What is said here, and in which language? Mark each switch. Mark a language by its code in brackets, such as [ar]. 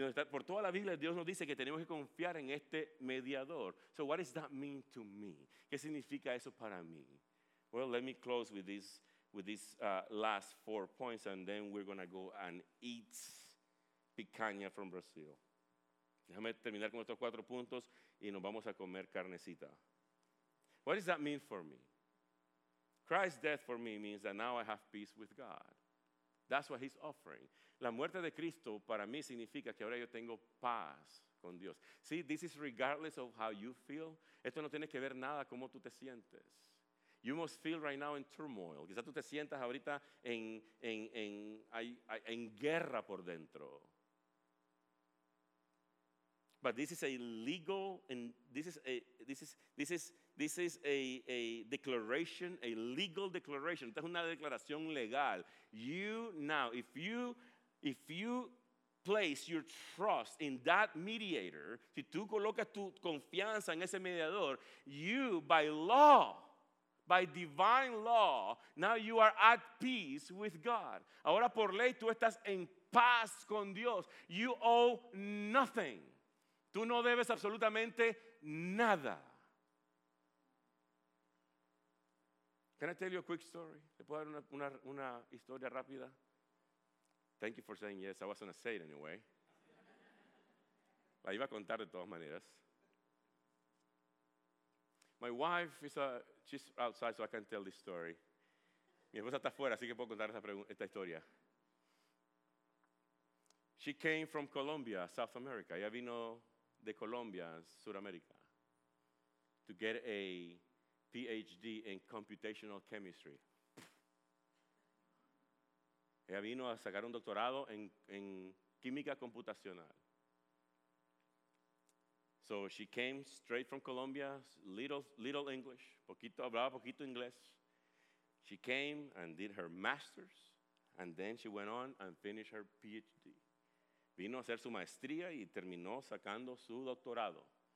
[es] Por toda la Biblia Dios nos dice que tenemos que confiar en este mediador. [en] So what does that mean to me? [es] ¿Qué significa eso para mí? [en] Well, let me close with these last 4 points and then we're going to go and eat picanha from Brazil. [es] Déjame terminar con estos 4 puntos y nos vamos a comer carnecita. [en] What does that mean for me? Christ's death for me means that now I have peace with God. That's what he's offering. [es] La muerte de Cristo para mí significa que ahora yo tengo paz con Dios. [en] See, this is regardless of how you feel. [es] Esto no tiene que ver nada con cómo tú te sientes. [en] You must feel right now in turmoil. [es] Quizá tú te sientas ahorita en guerra por dentro. [en] But this is a legal, and this is a declaration, a legal declaration. [es] Esta es una declaración legal. [en] You now, if you place your trust in that mediator, [es] si tú colocas tu confianza en ese mediador, [en] you by law, by divine law, now you are at peace with God. [es] Ahora por ley tú estás en paz con Dios. [en] You owe nothing. [es] Tú no debes absolutamente nada. [en] Can I tell you a quick story? [es] ¿Le puedo dar una historia rápida? [en] Thank you for saying yes. I was going to say it anyway. [es] La iba a contar de todas maneras. [en] My wife she's outside, so I can tell this story. [es] Mi esposa está afuera, así que puedo contar esta historia. [en] She came from Colombia, South America. [es] Ella vino de Colombia, Sudamérica, [en] to get a PhD in computational chemistry. [es] Ella vino a sacar un doctorado en química computacional. [en] So she came straight from Colombia, little English, [es] poquito, hablaba poquito inglés. [en] She came and did her master's, and then she went on and finished her PhD. [es] Vino a hacer su maestría y terminó sacando su doctorado.